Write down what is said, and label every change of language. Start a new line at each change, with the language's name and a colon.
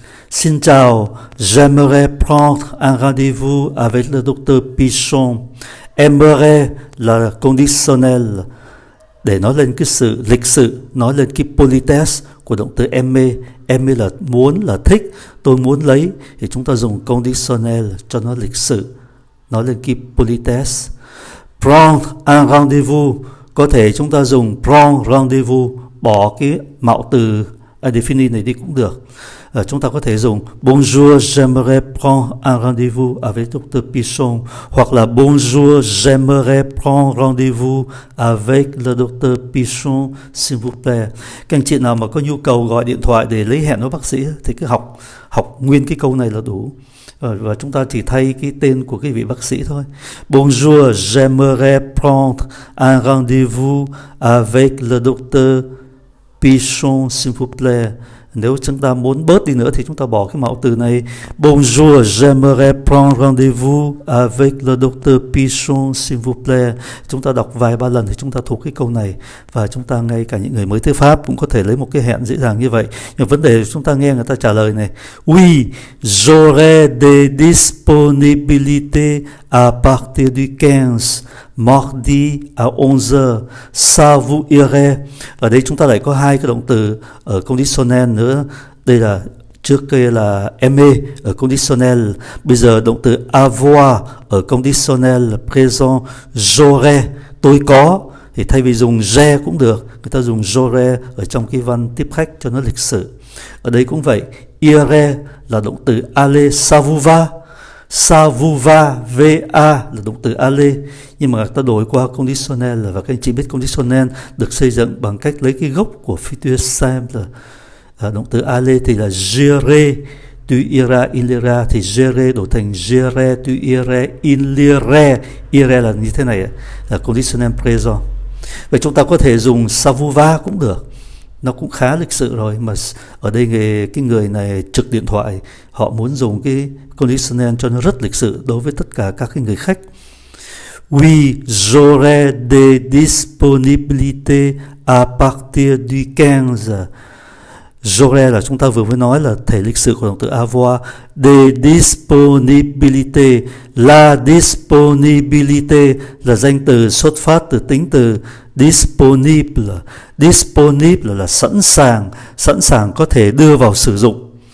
Vietnamese: Xin chào,
French: j'aimerais prendre un rendez-vous avec le docteur Pichon.
Vietnamese: Aimerais là conditionnel, để nói lên cái sự lịch sự, nói lên cái politesse của động từ aimer. Aimer là muốn, là thích. Tôi muốn lấy, thì chúng ta dùng conditionnel cho nó lịch sự, nói lên cái politesse.
French: Prendre un rendez-vous,
Vietnamese: có thể chúng ta dùng
French: prendre rendez-vous,
Vietnamese: bỏ cái mạo từ indéfini này đi cũng được. Chúng ta có thể dùng
French: bonjour, j'aimerais prendre un rendez-vous avec docteur Pichon,
Vietnamese: hoặc là
French: bonjour, j'aimerais prendre rendez-vous avec le docteur Pichon, s'il vous plaît.
Vietnamese: Các anh chị nào mà có nhu cầu gọi điện thoại để lấy hẹn với bác sĩ thì cứ học học nguyên cái câu này là đủ. Và chúng ta chỉ thay cái tên của cái vị bác sĩ thôi.
French: Bonjour, j'aimerais prendre un rendez-vous avec le docteur Pichon, s'il vous plaît.
Vietnamese: Nếu chúng ta muốn bớt đi nữa thì chúng ta bỏ cái mạo từ này.
French: Bonjour, j'aimerais prendre rendez-vous avec le docteur Pichon, s'il vous plaît.
Vietnamese: Chúng ta đọc vài ba lần thì chúng ta thuộc cái câu này. Và chúng ta ngay cả những người mới tới Pháp cũng có thể lấy một cái hẹn dễ dàng như vậy. Nhưng vấn đề chúng ta nghe người ta trả lời này.
French: Oui, j'aurai des disponibilités à partir du 15. Mardi à 11h, ça vous irait?
Vietnamese: Ở đây chúng ta lại có hai cái động từ ở conditionnel nữa. Đây là trước kia là aimer ở conditionnel. Bây giờ động từ avoir ở conditionnel présent. J'aurai, tôi có. Thì thay vì dùng j'ai cũng được, người ta dùng j'aurai ở trong cái văn tiếp khách cho nó lịch sự. Ở đây cũng vậy. Irait là động từ aller,
French: ça vous va? Ça vous va,
Vietnamese: va là động từ aller, nhưng mà người ta đổi qua conditionnel. Và các anh chị biết conditionnel được xây dựng bằng cách lấy cái gốc của futur simple. Động từ aller thì là
French: j'irai, tu iras, il ira,
Vietnamese: thì j'irai đổi thành j'irai, tu iras, il ira. Ira là như thế này, là conditionnel présent. Vậy chúng ta có thể dùng
French: ça vous va
Vietnamese: cũng được, nó cũng khá lịch sự rồi, mà ở đây cái người này trực điện thoại, họ muốn dùng cái conditional cho nó rất lịch sự đối với tất cả các cái người khách.
French: J'aurai des disponibilités à partir du 15.
Vietnamese: J'aurai là chúng ta vừa mới nói là thể lịch sự của động từ avoir.
French: Des disponibilités, la disponibilité
Vietnamese: là danh từ xuất phát từ tính từ disponible. Disponible là sẵn sàng có thể đưa vào sử dụng.